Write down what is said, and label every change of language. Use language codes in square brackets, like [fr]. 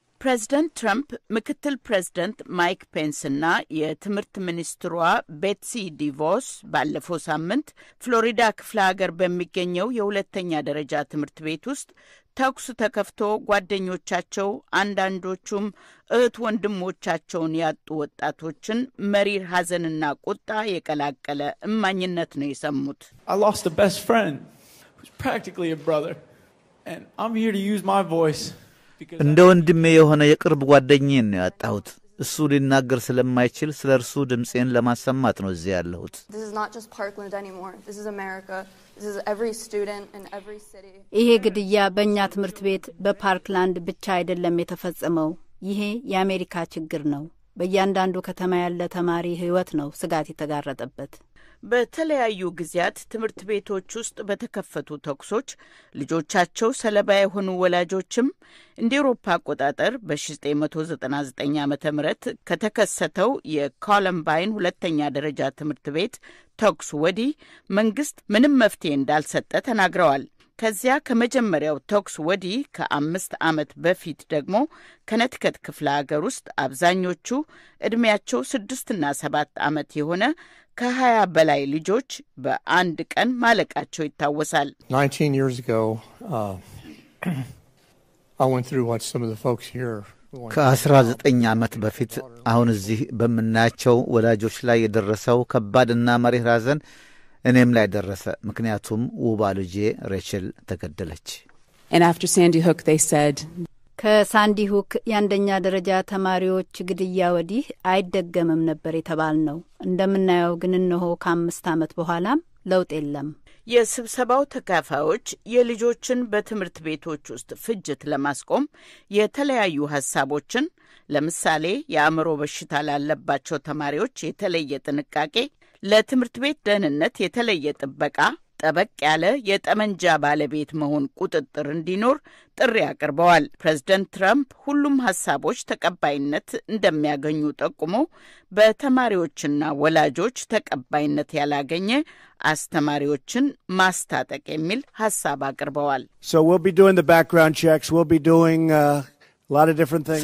[am] ፕሬዚደንት ትራምፕ፣ ምክትል ፕሬዚደንት ማይክ ፔንስ እና የትምህርት ሚኒስትሯ ቤትሲ ዲቮስ ባለፈው ሳምንት ፍሎሪዳ ክፍለ ሀገር በሚገኘው የሁለተኛ ደረጃ ትምህርት ቤት ውስጥ ተኩስ ተከፍቶ ጓደኞቻቸው አንዳንዶቹም እህት ወንድሞቻቸውን ያጡ ወጣቶችን መሪር ሐዘንና ቁጣ የቀላቀለ እማኝነት ነው የሰሙት። [en] I lost a best friend who's practically a brother and I'm here to use my voice. [am] እንደ ወንድሜ የሆነ የቅርብ ጓደኛዬ ነው ያጣሁት። እሱ ሊናገር ስለማይችል ስለ እርሱ ድምጼን ለማሰማት ነው እዚህ ያለሁት። [en] This is not just Parkland anymore. This is America. This is every student in every city. [am] ይሄ ግድያ በእኛ ትምህርት ቤት በፓርክላንድ ብቻ አይደለም የተፈጸመው። ይሄ የአሜሪካ ችግር ነው። በእያንዳንዱ ከተማ ያለ ተማሪ ህይወት ነው ስጋት የተጋረጠበት። በተለያዩ ግዚያት ትምርት ቤቶች ውስጥ በተከፈቱ ተኩሶች ልጆቻቸው ሰለባ የሆኑ ወላጆችም እንደ አውሮፓ አቆጣጠር በ1999 ዓመተ ምህረት ከተከሰተው የኮለምባይን ሁለተኛ ደረጃ ትምርት ቤት ተኩስ ወዲህ መንግስት ምንም መፍትሄ እንዳልሰጠ ተናግረዋል። ከዚያ ከመጀመሪያው ተኩስ ወዲህ ከአምስት ዓመት በፊት ደግሞ ከነትከት ክፍለ ሀገር ውስጥ አብዛኞቹ እድሜያቸው 6 እና 7 ዓመት የሆነ ከ20 በላይ ልጆች በአንድ ቀን ማለቃቸው ይታወሳል። [en] 19 years ago I went through what some of the folks here [am] ከ19 ዓመት በፊት አሁን እዚህ በመናቸው ወላጆች ላይ የደረሰው ከባድና መሪህ ራዘን እኔም ላይ ደረሰ። ምክንያቱም ውባሉጄ ሬቸል ተገደለች። [en] And after Sandy Hook they said [am] ከሳንዲ ሁክ ያንደኛ ደረጃ ተማሪዎች ግድያ ወዲህ አይደገምም ነበር የተባልነው። እንደምናየው ግን እነሆ ከአምስት ዓመት በኋላም ለውጥ የለም። የስብሰባው ተካፋዮች የልጆችን በትምህርት ቤቶች ውስጥ ፍጅት ለማስቆም የተለያዩ ሐሳቦችን ለምሳሌ የአእምሮ በሽታ ላለባቸው ተማሪዎች የተለየ ጥንቃቄ፣ ለትምህርት ቤት ደህንነት የተለየ ጥበቃ፣ ጠበቅ ያለ የጠመንጃ ባለቤት መሆን ቁጥጥር እንዲኖር ጥሪ አቅርበዋል። ፕሬዝደንት ትራምፕ ሁሉም ሐሳቦች ተቀባይነት እንደሚያገኙ ጠቁሞ በተማሪዎችና ወላጆች ተቀባይነት ያላገኘ አስተማሪዎችን ማስተጠቅ የሚል ሐሳብ አቅርበዋል። [en] So we'll be doing the background checks, we'll be doing a lot of different things.